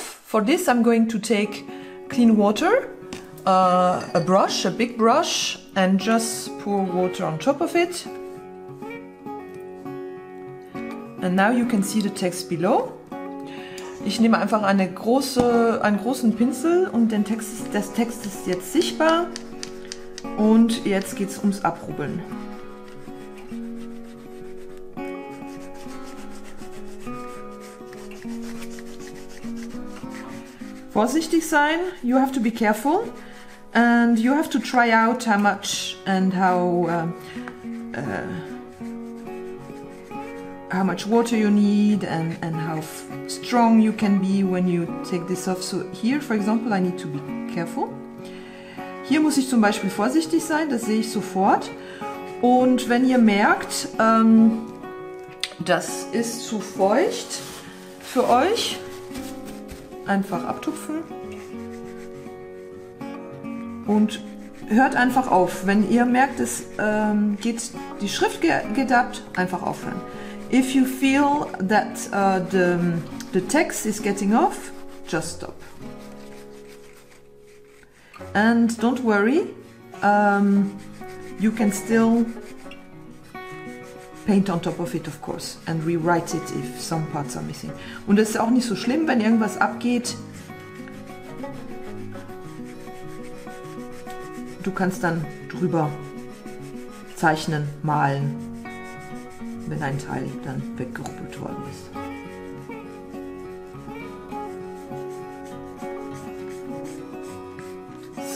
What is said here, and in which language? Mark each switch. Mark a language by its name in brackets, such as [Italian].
[English] For this I'm going to take clean water, a brush, a big brush, and just pour water on top of it. And now you can see the text below. [German] Ich nehme einfach einen großen Pinsel und der Text ist jetzt sichtbar. Und jetzt geht's ums Abrubbeln. Vorsichtig sein, [English] you have to be careful and you have to try out how much and how much water you need and how strong you can be when you take this off. So here for example I need to be careful. [German] Hier muss ich zum Beispiel vorsichtig sein, das sehe ich sofort. Und wenn ihr merkt, das ist zu feucht für euch, einfach abtupfen und hört einfach auf. Wenn ihr merkt, es geht die Schrift geht ab, einfach aufhören. [English] If you feel that the text is getting off, just stop. And don't worry, you can still paint on top of it, of course, and rewrite it if some parts are missing. [German] Und es ist auch nicht so schlimm, wenn irgendwas abgeht. Du kannst dann drüber zeichnen, malen, wenn ein Teil dann weggerubbelt worden ist.